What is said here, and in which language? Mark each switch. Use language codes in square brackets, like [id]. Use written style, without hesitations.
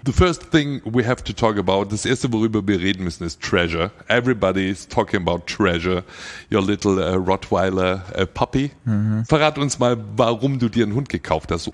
[en] The first thing we have to talk about, [de] das erste, worüber wir reden müssen, ist Treasure. [en] Everybody is talking about Treasure, your little Rottweiler puppy. Mm-hmm. [de] Verrat uns mal, warum du dir einen Hund gekauft hast.